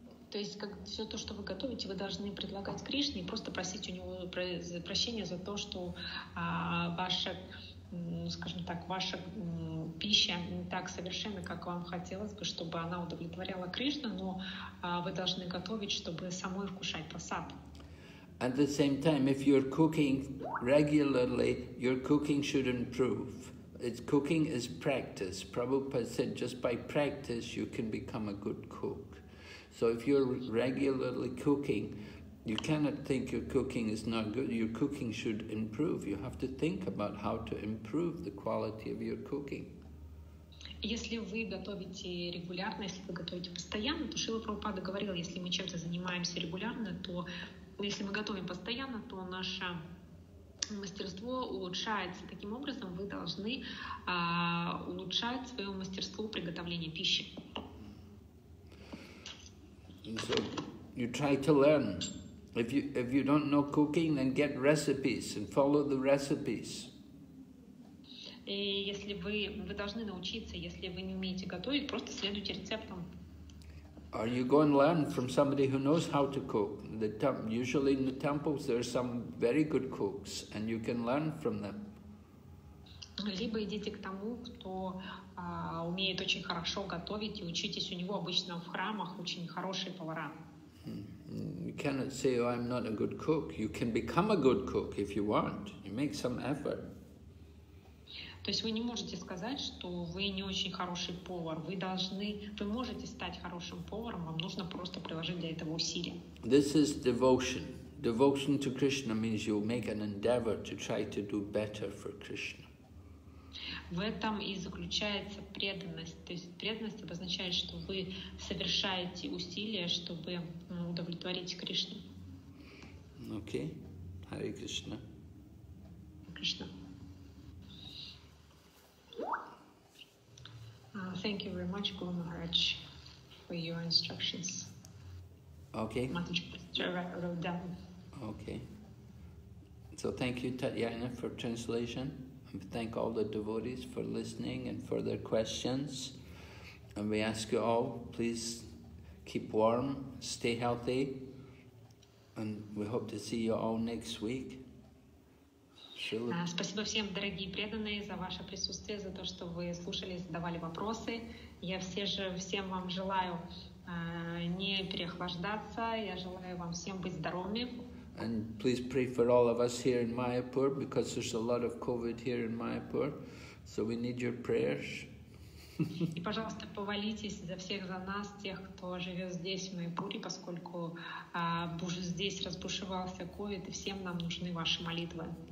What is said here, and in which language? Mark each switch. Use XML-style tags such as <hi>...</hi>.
<ru>То есть как все то, что вы готовите, вы должны предлагать Кришне и просто просить у него прощения за то, что ваша пища не так совершенна, как вам хотелось бы, чтобы она удовлетворяла Кришну, но вы должны готовить, чтобы самой вкушать прасад.</ru> <en>At the same time, if you're cooking regularly, your cooking should improve. It's cooking is practice. Prabhupada said, just by practice, you can become a good cook. So if you're regularly cooking, you cannot think your cooking is not good. Your cooking should improve. You have to think about how to improve the quality of your cooking.</en> <ru>Если вы готовите регулярно, если вы готовите постоянно, то Шрила Прабхупада говорил, если мы чем-то занимаемся регулярно, то если мы готовим постоянно, то наше мастерство улучшается. Таким образом, вы должны улучшать свое мастерство приготовления пищи.</ru> <en>So you try to learn. If you don't know cooking, then get recipes and follow the recipes.</en> <ru>И если вы должны научиться, если вы не умеете готовить, просто следуйте рецептам.</ru> <en>Or you go and learn from somebody who knows how to cook. Usually in the temples there are some very good cooks, and you can learn from them.</en> <ru>Либо идите к тому, кто умеет очень хорошо готовить, и учитесь у него. Обычно в храмах очень хорошие повара.</ru> <en>You cannot say, oh, I'm not a good cook. You can become a good cook if you want. You make some effort.</en> <ru>То есть вы не можете сказать, что вы не очень хороший повар. Вы можете стать хорошим поваром, вам нужно просто приложить для этого усилия.</ru> <en>This is devotion. Devotion to Krishna means you make an endeavor to try to do better for Krishna.</en> <ru>В этом и заключается преданность. То есть преданность обозначает, что вы совершаете усилия, чтобы удовлетворить Кришну. Окей. Hare Krishna. Кришна.</ru> <en>Thank you very much, Guru Maharaj, for your instructions. Okay. Matuchi wrote down. Okay. So thank you, Tatyana, for translation. And thank all the devotees for listening and for their questions. And we ask you all, please keep warm, stay healthy, and we hope to see you all next week.</en> <ru>Спасибо всем, дорогие преданные, за ваше присутствие, за то, что вы слушали, задавали вопросы. Я все же всем вам желаю не переохлаждаться. Я желаю вам всем быть здоровыми.</ru> <en>And please pray for all of us here in Mayapur, because there's a lot of COVID here in Mayapur, so we need your prayers.</en> <ru>И, пожалуйста, помолитесь за всех, за нас, тех, кто живет здесь, в Майпуре, поскольку здесь разбушевался COVID, и всем нам нужны ваши молитвы.</ru>